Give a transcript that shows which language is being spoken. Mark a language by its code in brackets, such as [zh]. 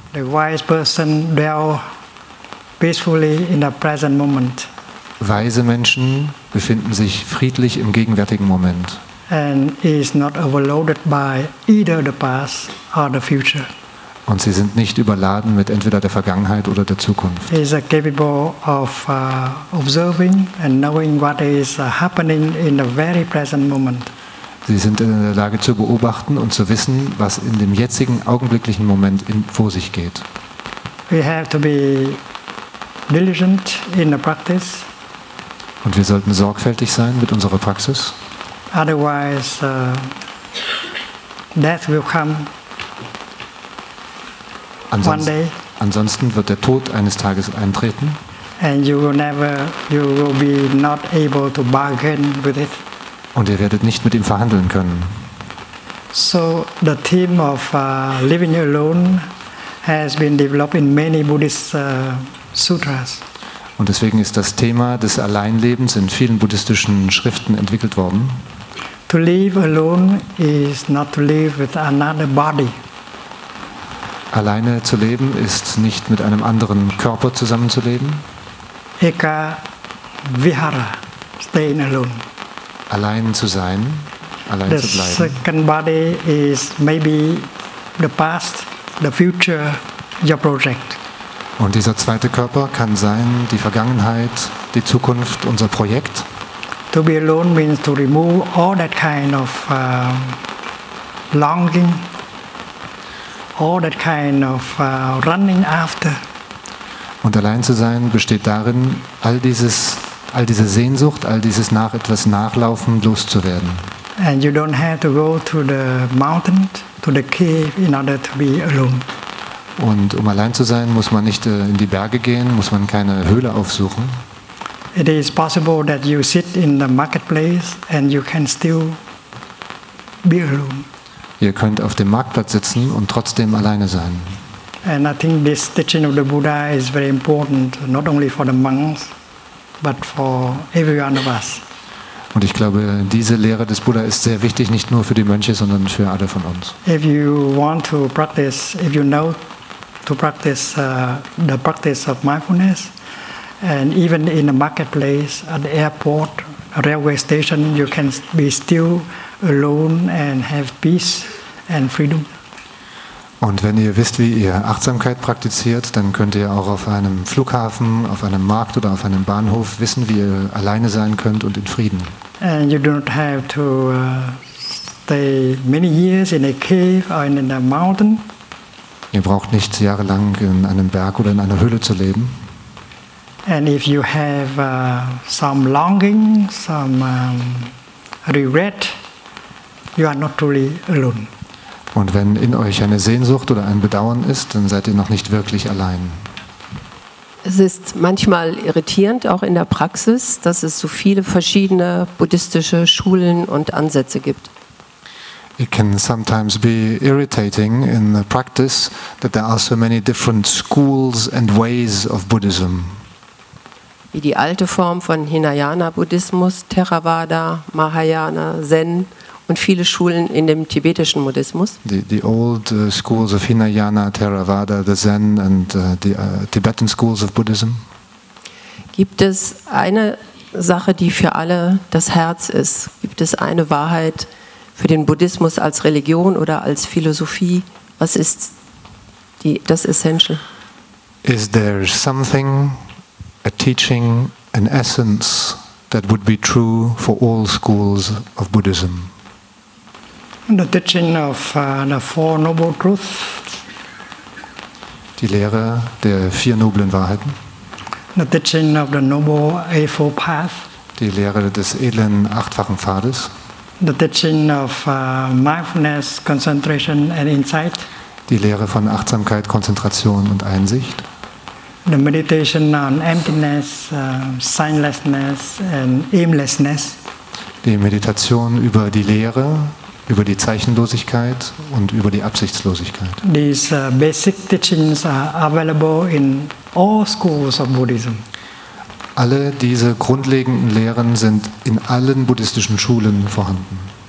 [en] The wise person dwell peacefully in the present moment. [de] Weise Menschen befinden sich friedlich im gegenwärtigen Moment. [en] And is not overloaded by either the past or the future. [de] Und sie sind nicht überladen mit entweder der Vergangenheit oder der Zukunft. [en] Is capable of observing and knowing what is happening in the very present moment. [de] Sie sind in der Lage zu beobachten und zu wissen, was in dem jetzigen augenblicklichen Moment vor sich geht. [en] We have to be diligent in the practice. [de] Und wir sollten sorgfältig sein mit unserer Praxis. [en] Otherwise, death will come. [de] Ansonsten wird der Tod eines Tages eintreten. [en] And you will be not able to bargain with it. [de] Und ihr werdet nicht mit ihm verhandeln können. [en] So the theme of living alone has been developed in many Buddhist sutras. [de] Und deswegen ist das Thema des Alleinlebens in vielen buddhistischen Schriften entwickelt worden. [en] To live alone is not to live with another body. [de] Alleine zu leben ist nicht mit einem anderen Körper zusammenzuleben. [en] Eka vihara, staying alone. [de] Allein zu sein, allein [en] the [de] zu bleiben. [en] The second body is maybe the past, the future, your project. [de] Und dieser zweite Körper kann sein die Vergangenheit, die Zukunft, unser Projekt. [en] To be alone means to remove all that kind of longing, all that kind of running after. [de] Und allein zu sein besteht darin, all diese Sehnsucht, all dieses nach etwas Nachlaufen loszuwerden. [en] And you don't have to go to the mountain, to the cave in order to be alone. [de] Und um allein zu sein, muss man nicht in die Berge gehen, muss man keine Höhle aufsuchen. [en] It is possible that you sit in the marketplace and you can still be alone. [de] Ihr könnt auf dem Marktplatz sitzen und trotzdem alleine sein. [en] And I think this teaching of the Buddha is very important, not only for the monks, but for every one of us. [de] Und ich glaube, diese Lehre des Buddha ist sehr wichtig, nicht nur für die Mönche, sondern für alle von uns. [en] If you want to practice, if you know to practice the practice of mindfulness, and even in a marketplace, at the airport, a railway station, you can be still alone and have peace and freedom. [de] Und wenn ihr wisst, wie ihr Achtsamkeit praktiziert, dann könnt ihr auch auf einem Flughafen, auf einem Markt oder auf einem Bahnhof wissen, wie ihr alleine sein könnt und in Frieden. [en] And you don't have to stay many years in a cave or in a mountain. [de] Ihr braucht nicht jahrelang in einem Berg oder in einer Höhle zu leben. [en] And if you have some longing, some regret, you are not truly alone. [de] Und wenn in euch eine Sehnsucht oder ein Bedauern ist, dann seid ihr noch nicht wirklich allein. Es ist manchmal irritierend, auch in der Praxis, dass es so viele verschiedene buddhistische Schulen und Ansätze gibt. [en] It can sometimes be irritating in the practice that there are so many different schools and ways of Buddhism. [de] Wie die alte Form von Hinayana-Buddhismus, Theravada, Mahayana, Zen und viele Schulen in dem tibetischen Buddhismus. [en] The old schools of Hinayana, Theravada, the Zen and the Tibetan schools of Buddhism. [de] Gibt es eine Sache, die für alle das Herz ist? Gibt es eine Wahrheit für den Buddhismus als Religion oder als Philosophie? Was ist das Essential? [en] Is there something, a teaching, an essence that would be true for all schools of Buddhism? The teaching of the Four Noble Truths. [de] Die Lehre der vier noblen Wahrheiten. [en] The teaching of the Noble Eightfold Path. [de] Die Lehre des edlen achtfachen Pfades. [en] The teaching of mindfulness, concentration and insight. [de] Die Lehre von Achtsamkeit, Konzentration und Einsicht. [en] The meditation on emptiness, signlessness and aimlessness. [de] Die Meditation über die Leere, über die Zeichenlosigkeit und über die Absichtslosigkeit. [en] These basic teachings are available in all schools of Buddhism. [de] Alle diese grundlegenden Lehren sind in allen buddhistischen Schulen vorhanden.